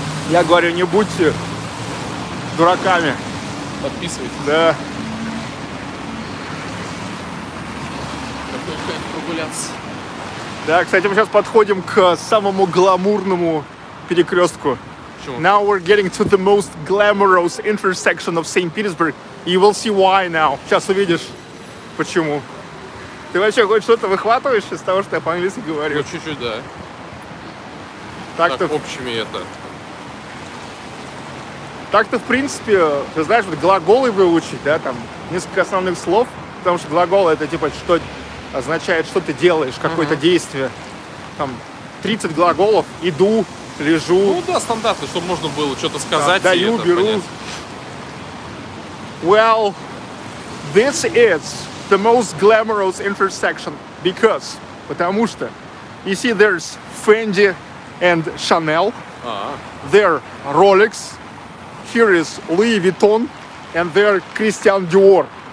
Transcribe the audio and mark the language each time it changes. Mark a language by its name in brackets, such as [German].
[Russian] Я говорю, не будьте дураками. Подписывайтесь. Да. Какой кайф прогуляться. Да, кстати, мы сейчас подходим к самому гламурному перекрестку. Почему? [English] Now we're getting to the most glamorous intersection of St. Petersburg. You will see why now. [Russian] Сейчас увидишь, почему. Ты вообще хоть что-то выхватываешь из того, что я по-английски говорю? Ну, чуть-чуть, да. Так-то... Так, общими это... Так-то, в принципе, ты знаешь, вот глаголы выучить, да, там, несколько основных слов, потому что глагол это типа что означает, что ты делаешь, какое-то действие. Там 30 глаголов, иду, лежу. Ну да, стандартно, чтобы можно было что-то сказать. Даю, это, беру. Понять. [English] Well, this is the most glamorous intersection because, [Russian] потому что, [English] you see, there's Fendi and Chanel, there Rolex, here is Louis Vuitton, and there Christian Dior.